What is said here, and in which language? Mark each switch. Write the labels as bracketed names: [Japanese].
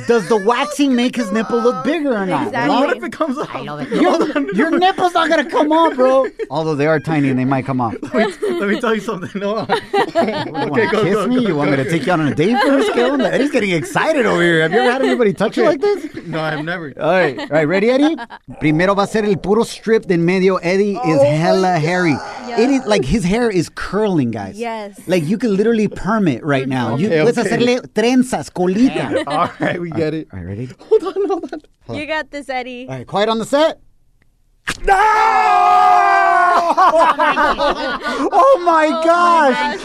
[English] Does the waxing make his nipple look bigger or not? Exactly. What if it comes off? I love it. Your nipple's not going to come off, bro. Although they are tiny and they might come off. Let me tell you something. No. Okay, go, kiss go, me? Go, you go, want go, me to go. Take you out on a date for a skill? Eddie's getting excited over here. Have you ever had anybody touch you like this? No, I've never. All right, ready, Eddie? [Spanish] Primero va a ser el puro strip de en medio. [English] Eddie is hella hairy. Yeah. It is like his hair is curling, guys. Yes. Like you can literally perm it right now. Okay, you, okay. Let's [Spanish] hacerle trenzas, colita. [English] All right, we get it. All right, ready? Hold on. You got this, Eddie. All right, quiet on the set. No! Oh my gosh!